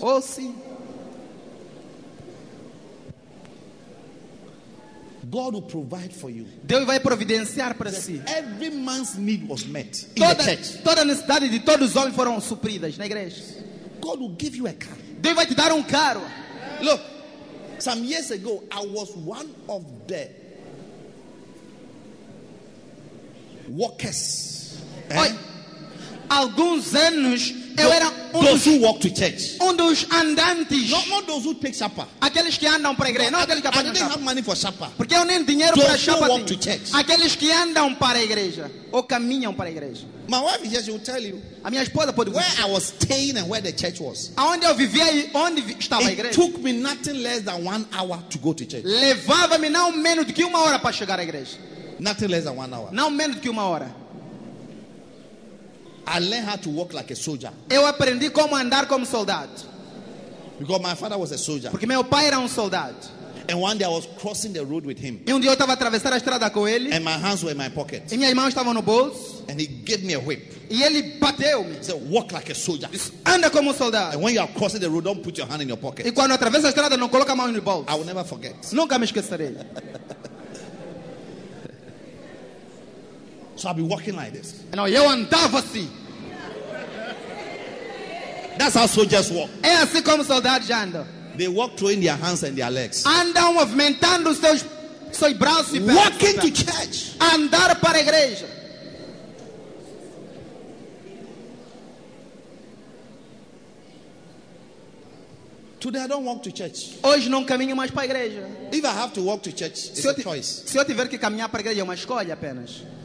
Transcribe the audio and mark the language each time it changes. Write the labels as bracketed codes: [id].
[pt] Oh sim. [en] God will provide for you. [pt] Deus vai providenciar para si. [en] Every man's need was met in [pt] toda, [en] the church. [pt] Toda necessidade de todos os homens foram supridas na igreja. [en] God will give you a car. [pt] Deus vai te dar carro. [en] Look. Some years ago, I was one of the workers. [pt] Oi, alguns anos, eu era [en] those who walk to church. [pt] Dos andantes. [en] Not those who take chapa. [pt] Aqueles que andam para a igreja. Não aqueles que [en] I didn't have money for chapa. [pt] Porque eu nem dinheiro para chapa. [en] Those who walk to church. [pt] Aqueles que andam para a igreja. Ou caminham para a igreja. [en] My wife just will tell you. [pt] A minha esposa pode [en] where [pt] dizer, [en] I was staying and where the church was. [pt] Aonde eu vivia e onde estava [en] it [pt] a igreja. [en] It took me nothing less than 1 hour to go to church. [pt] Levava-me não menos do que 1 hora para chegar à igreja. [en] Nothing less than 1 hour. [pt] Não menos do que 1 hora. [en] I learned how to walk like a soldier. [pt] Eu aprendi como andar como soldado. [en] Because my father was a soldier. [pt] Porque meu pai era soldado. [en] And one day I was crossing the road with him. [pt] E dia eu estava a atravessar a estrada com ele. [en] And my hands were in my pockets. [pt] E minhas mãos estavam no bolso. [en] And he gave me a whip. [pt] E ele bateu-me. [en] He said, walk like a soldier. [pt] Anda como soldado. [en] And when you are crossing the road, don't put your hand in your pocket. [pt] E quando atravessa a estrada, não coloca a mão no bolso. [en] I will never forget. [pt] Nunca me esquecerei. [en] So I'll be walking like this. And now you [pt] andava assim. [en] That's how soldiers walk. [pt] É assim como soldados andam. [en] They walk throwing their hands and their legs. [pt] Andam movimentando seus braços e pernas. [en] Walking to church. [pt] Andar para a igreja. [en] Today I don't walk to church. [pt] Hoje não caminho mais para a igreja. [en] If I have to walk to church, it's a choice. [pt] Se eu tiver que caminhar para a igreja, é uma escolha apenas.